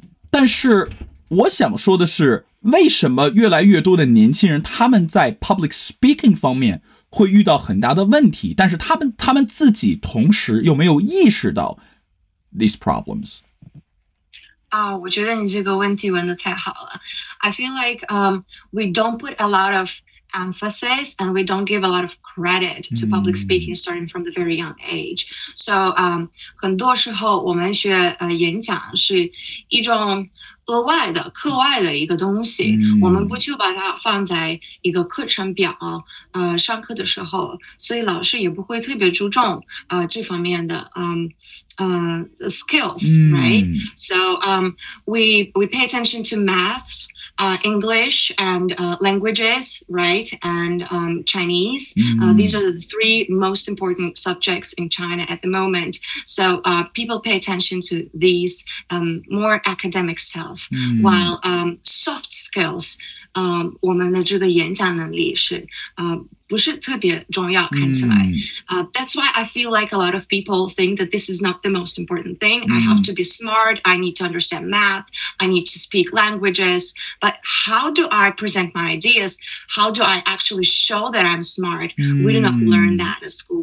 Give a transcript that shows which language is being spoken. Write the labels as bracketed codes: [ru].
[zh] 但是我想说的是，为什么越来越多的年轻人他们在 [en] public speaking [zh] 方面会遇到很大的问题，但是他们自己同时又没有意识到 [en] these problems? [zh] 我觉得你这个问题问得太好了。 [en] I feel like, we don't put a lot of emphasis and we don't give a lot of credit to public speaking starting from the very young age. [zh] So, 很多时候我们学、演讲是一种额外的课外的一个东西、我们不就把它放在一个课程表、上课的时候，所以老师也不会特别注重、这方面的、 [en] skills、right? So、we pay attention to maths、English and、languages, right? And、Chinese、these are the three most important subjects in China at the moment. So、people pay attention to these、more academic selfwhile soft skills、 [zh] 我们的这个演讲能力是不是特别重要看起来。 [en] That's why I feel like a lot of people think that this is not the most important thing. I have to be smart. I need to understand math. I need to speak languages. But how do I present my ideas? How do I actually show that I'm smart? We do not learn that at school.